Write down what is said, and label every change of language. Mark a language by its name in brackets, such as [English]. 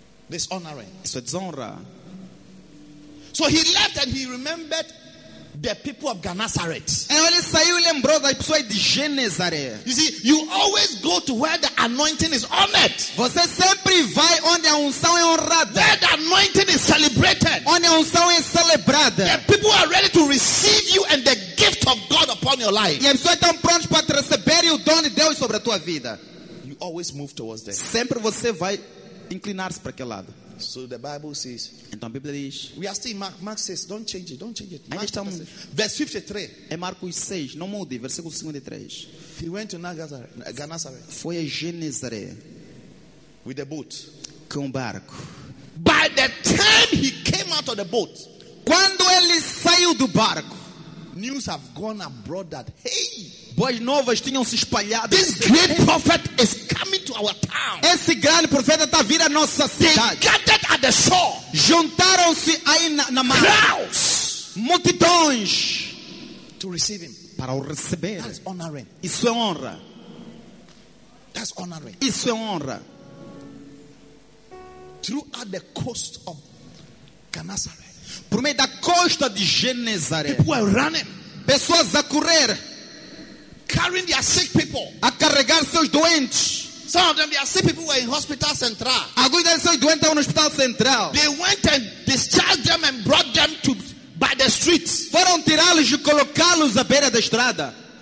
[English] Dishonoring. [Portuguese] Isso é desonra. [English] So he left and he remembered the people of Gennesaret. [Portuguese] Ele saiu e lembrou das pessoas de Genezaré. [English] You see, you always go to where the anointing is honored. [Portuguese] Você sempre vai onde a unção é honrada. [English] Where the anointing is celebrated. [Portuguese] Onde a unção é celebrada. [English] The people are ready to receive you and the gift of God upon your life. [Portuguese] E as pessoas estão prontas para receber o dom de Deus sobre a tua vida. [English] You always move towards them. [Portuguese] Sempre você vai inclinar-se para aquele lado. [English] So the Bible says. [Portuguese] Então a Bíblia diz. [English] We are still in Mark. Mark says, don't change it. Don't change it. [Portuguese] Ainda estamos. [English] Verse 53. [Portuguese] É Marcos 6. Não mude. Versículo 53. [English] He went to Gennesaret. [Portuguese] Foi a Genezaré. [English] With a boat. [Portuguese] Com um barco. [English] By the time he came out of the boat. [Portuguese] Quando ele saiu do barco. [English] News have gone abroad that hey. [Portuguese] Boas novas tinham se espalhado. [English] This great prophet is coming to our town. [Portuguese] Esse grande profeta está vindo à nossa cidade. [English] They gathered at the shore. [Portuguese] Juntaram-se aí na mar. [English] Crowds. [Portuguese] Multidões. [English] To receive him. [Portuguese] Para o receber. [English] That's honoring. [Portuguese] Isso é honra. [English] That's honoring. [Portuguese] Isso é honra. [English] Throughout the coast of Gennesaret. [Portuguese] Por meio da costa de Genezaré. [English] People are running. [Portuguese] Pessoas a correr. [English] Carrying their sick people. [Portuguese] A carregar seus doentes. [English] Some of them, their sick people were in hospital central. [Portuguese] Alguns deles seus doentes estão no hospital central. [English] They went and discharged them and brought them to by the streets. [Portuguese] Foram tirá-los e colocá-los à beira da estrada.